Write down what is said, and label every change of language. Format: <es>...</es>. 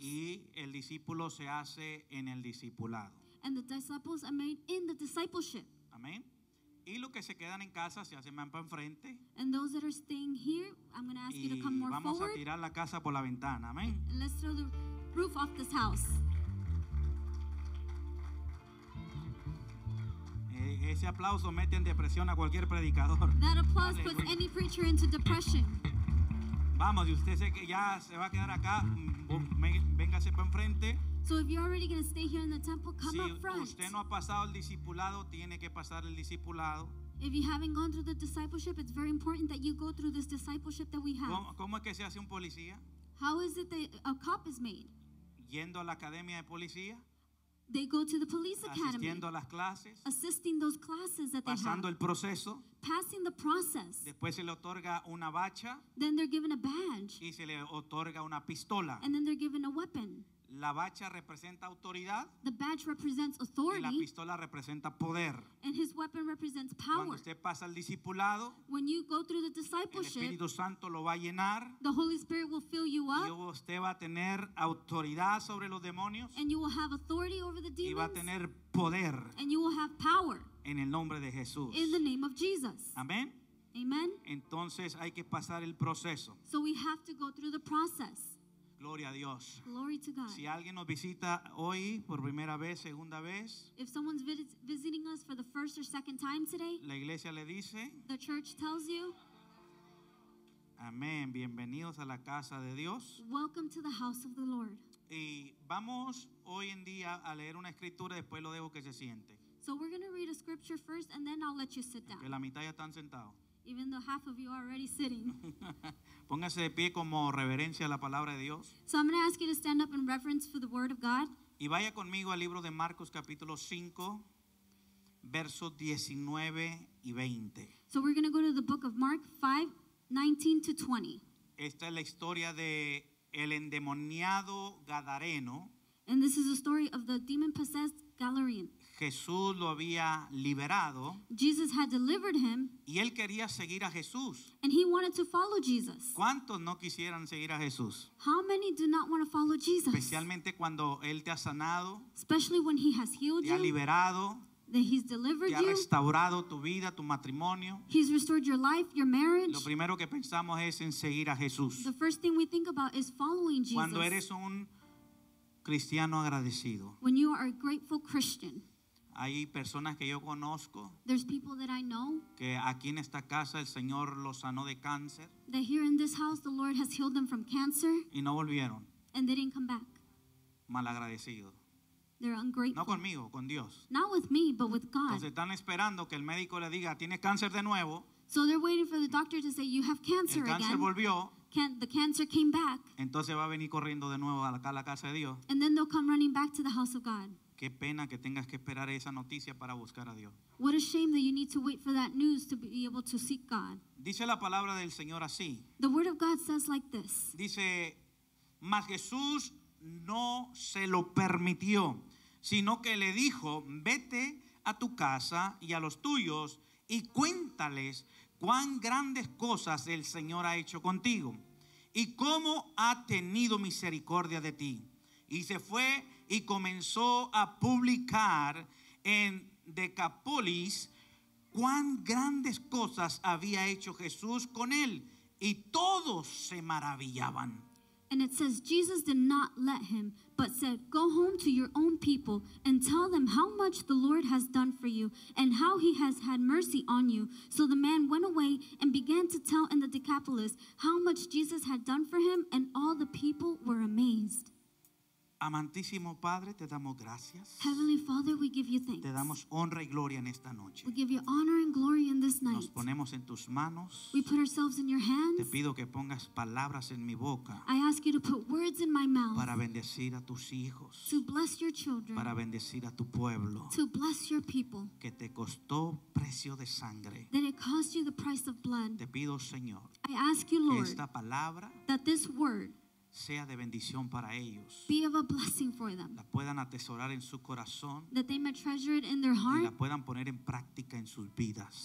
<es>Y el discípulo se hace en el discipulado.</es> <en>And the disciples are made in the discipleship.</en> <es>Amén.</es> <en>Y los que se quedan en casa se hacen más para enfrente. And those that are staying here, I'm going to ask</en> <es>y</es> <en>you to come more</en> <es>vamos</es> <en>forward.</en> <es>A tirar la casa por la ventana. Amén.</es> <en>And let's throw the roof off this house.</en> <es>Ese aplauso mete en depresión a cualquier predicador.</es> <en>That applause puts any preacher into depression.</en> <es>Vamos, y usted sé que ya se va a quedar acá, véngase para enfrente.</es> <en>So if you're already going to stay here in the temple, come</en> <es>si</es> <en>up front.</en> <es>Usted no ha pasado el discipulado, tiene que pasar el discipulado.</es> <en>If you haven't gone through the discipleship, it's very important that you go through this discipleship that we have.</en> <es>¿Cómo es que se hace un policía?</es> <en>How is it that a cop is made?</en> <es>Yendo a la academia de policía.</es> <en>They go to the police academy.</en> <es>Asistiendo a las clases.</es> <en>Assisting those classes that they have.</en> <es>Pasando el proceso.</es> <en>Passing the process.</en> <es>Después se le otorga una bacha.</es> <en>Then they're given a badge.</en> <es>Y se le otorga una pistola.</es> <en>And then they're given a weapon.</en> <es>La bacha representa autoridad.</es> <en>The badge represents authority.</en> <es>Y la pistola representa poder.</es> <en>And his weapon represents power.</en> <es>Cuando usted pasa al discipulado,</es> <en>when you go through the discipleship,</en> <es>el Espíritu Santo lo va a llenar.</es> <en>The Holy Spirit will fill you up.</en> <es>Y usted va a tener autoridad sobre los demonios.</es> <en>And you will have authority over the demons.</en> <es>Y va a tener poder.</es> <en>And you will have power.</en> <es>En el nombre de Jesús.</es> <en>In the name of Jesus.</en> <es>Amén.</es> <en>Amen.</en> <es>Entonces hay que pasar el proceso.</es> <en>So we have to go through the process.</en> <es>Gloria a Dios.</es> <en>Glory to God.</en> <es>Si alguien nos visita hoy por primera vez, segunda vez,</es> <en>if someone's visiting us for the first or second time today,</en> <es>la iglesia le dice,</es> <en>the church tells you,</en> <es>amén, bienvenidos a la casa de Dios.</es> <en>Welcome to the house of the Lord.</en> <es>Y vamos hoy en día a leer una escritura, después lo dejo que se siente.</es> <en>So we're going to read a scripture first and then I'll let you sit down.</en> <es>Que la mitad ya están sentados.</es> <en>Even though half of you are already sitting.</en> <es>Póngase de pie como reverencia a la palabra de Dios.</es> <en>So I'm going to ask you to stand up in reverence for the word of God.</en> <es>Y vaya conmigo al libro de Marcos capítulo 5, versos 19 y 20.</es> <en>So we're going to go to the book of Mark 5:19-20.</en> <es>Esta es la historia de el endemoniado gadareno.</es> <en>And this is the story of the demon-possessed Galarian.</en> <es>Jesús lo había liberado.</es> <en>Jesus had delivered him.</en> <es>Y él quería seguir a Jesús.</es> <en>And he wanted to follow Jesus.</en> <es>¿Cuántos no quisieran seguir a Jesús?</es> <en>How many do not want to follow Jesus?</en> <es>Especialmente cuando él te ha sanado.</es> <en>Especially when he has healed</en> <es>you. Te ha liberado.</es> <en>That he's delivered</en> <es>you. Te ha restaurado tu vida, tu matrimonio.</es> <en>He's restored your life, your marriage.</en> <es>Lo primero que pensamos es en seguir a Jesús.</es> <en>The first thing we think about is following Jesus.</en> <es>Cuando eres un cristiano agradecido.</es> <en>When you are a grateful Christian.</en> <es>Hay personas que yo conozco.</es> <en>There's people that I know.</en> <es>Que aquí en esta casa el Señor los sanó de cáncer.</es> <en>That here in this house the Lord has healed them from cancer.</en> <es>Y no volvieron.</es> <en>And they didn't come back.</en> <es>Malagradecidos.</es> <en>They're ungrateful.</en> <es>No conmigo, con Dios.</es> <en>Not with me, but with God.</en> <es>Entonces están esperando que el médico le diga, tienes cáncer de nuevo.</es> <en>So they're waiting for the doctor to say, you have cancer again.</en> <es>El cáncer volvió.</es> <en>The cancer came back.</en> <es>Entonces va a venir corriendo de nuevo a la casa de Dios.</es> <en>And then they'll come running back to the house of God.</en> <es>Qué pena que tengas que esperar esa noticia para buscar a Dios.</es> <en>What a shame that you need to wait for that news to be able to seek God.</en> <es>Dice la palabra del Señor así.</es> <en>The word of God says like this.</en> <es>Dice, mas Jesús no se lo permitió, sino que le dijo, vete a tu casa y a los tuyos y cuéntales cuán grandes cosas el Señor ha hecho contigo y cómo ha tenido misericordia de ti. Y se fue y comenzó a publicar en Decapolis cuán grandes cosas había hecho Jesús con él. Y todos se maravillaban.</es> <en>And it says, Jesus did not let him, but said, go home to your own people and tell them how much the Lord has done for you and how he has had mercy on you. So the man went away and began to tell in the Decapolis how much Jesus had done for him, and all the people were amazed.</en> <es>Amantísimo Padre, te damos gracias.</es> <en>Heavenly Father, we give you thanks.</en> <es>Te damos honra y gloria en esta noche.</es> <en>We give you honor and glory in this night.</en> <es>Nos ponemos en tus manos.</es> <en>We put ourselves in your hands.</en> <es>Te pido que pongas palabras en mi boca.</es> <en>I ask you to put words in my mouth.</en> <es>Para bendecir a tus hijos.</es> <en>To bless your children.</en> <es>Para bendecir a tu pueblo.</es> <en>To bless your people.</en> <es>Que te costó precio de sangre.</es> <en>That it cost you the price of blood.</en> <es>Te pido, Señor.</es> <en>I ask you, Lord.</en> <es>Esta palabra.</es> <en>That this word.</en> <es>sea de bendición para ellos.</es> <en>Be of a blessing for them.</en> <es>La puedan atesorar en su corazón.</es> <en>That they may treasure it in their heart.</en> <es>Y la puedan poner en práctica en sus vidas.</es>